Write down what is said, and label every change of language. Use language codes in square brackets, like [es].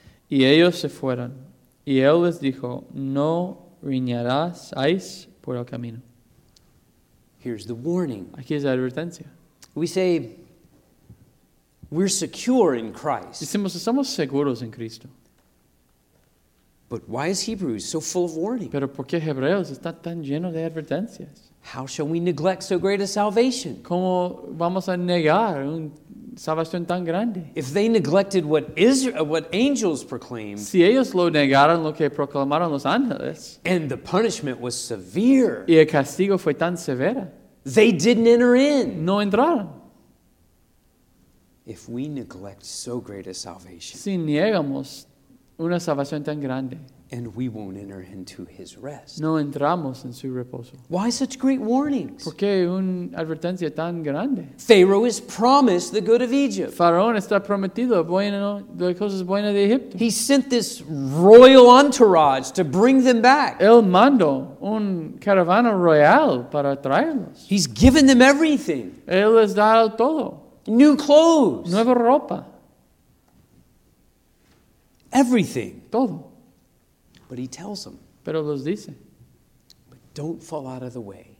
[es] Y ellos se fueron. Y él les dijo, no riñaráis por el camino. [en] Here's the warning. [es] Aquí es la advertencia. [en] We say, we're secure in Christ. [es] Decimos, estamos seguros en Cristo. [en] But why is Hebrews so full of warning? [es] Pero ¿por qué Hebreos está tan lleno de advertencias? [en] How shall we neglect so great a salvation? [es] ¿Cómo vamos a negar una salvación tan grande? [en] If they neglected what Israel, what angels proclaimed, [es] si ellos lo negaron lo que proclamaron los ángeles, [en] and the punishment was severe, [es] y el castigo fue tan severo, [en] they didn't enter in. [es] No entraron. [en] If we neglect so great a salvation, [es] si negamos una salvación tan grande, [en] and we won't enter into his rest. [es] No entramos en su reposo. [en] Why such great warnings? [es] ¿Por qué una advertencia tan grande? [en] Pharaoh is promised the good of Egypt. [es] Faraón está prometido bueno, de cosas buenas de Egipto. [en] He sent this royal entourage to bring them back. [es] Él mandó un caravana real para traerlos. [en] He's given them everything. [es] Él les da todo. [en] New clothes. [es] Nueva ropa. [en] Everything. [es] Todo. [en] But he tells them. [es] Pero los dice. [en] But don't fall out of the way.